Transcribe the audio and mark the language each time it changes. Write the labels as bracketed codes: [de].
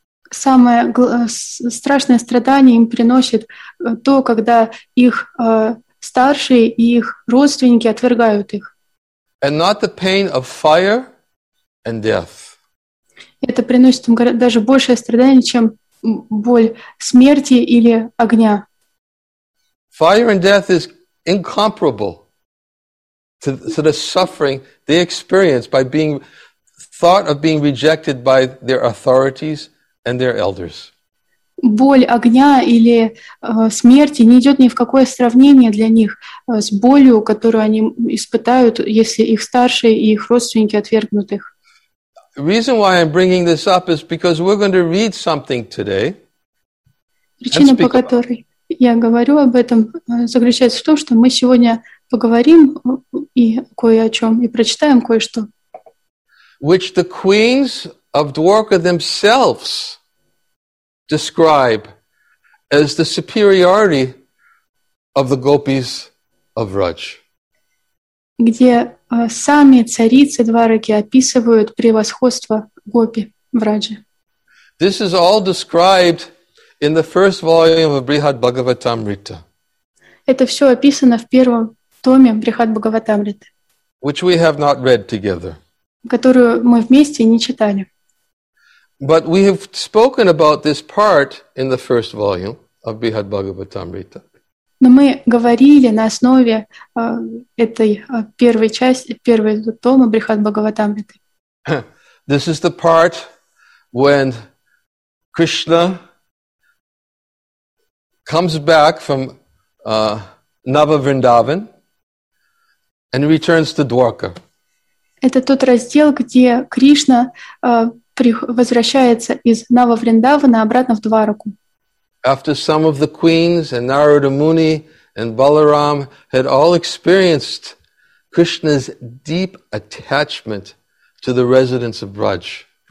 [ru] Самое страшное страдание им приносит то, когда их старшие и их родственники отвергают их. [en] And not the pain of fire and death. [ru] Это приносит им даже большее страдание, чем боль смерти или огня. [en] Fire and death is incomparable to the suffering they experience by being thought of being rejected by their authorities and their elders. [ru] Боль огня или смерти не идет ни в какое сравнение для них с болью, которую они испытают, если их старшие и их родственники отвергнут их. [en] Reason why I'm bringing this up is because we're going to read something today. [ru] Причина, по которой я говорю об этом, заключается в том, что мы сегодня поговорим и кое о чем, и прочитаем кое-что. [en] Which the queens of Dwarka themselves describe as the superiority of the gopis of Raj. [ru] Где сами царицы Двараки описывают превосходство гопи в Радже. [en] This is all described in the first volume of Brihad Bhagavatamrita. [ru] Это все описано в первом томе Брихад Бхагаватамриты. [en] Which we have not read together. [ru] которую мы вместе не читали. [en] But we have spoken about this part in the first volume of Bihad Bhagavatamrita. [ru] Но мы говорили на основе этой первой части, первого тома Брихад Бхагаватамриты. [en] This is the part when Krishna comes back from Nava Vrindavan and returns to Dwarka. [ru] Это тот раздел, где Кришна возвращается из Нава Вриндавана обратно в Двараку. [en] After some of the queens and Narada Muni and Balaram had all experienced Krishna's deep attachment to the residents of Braj.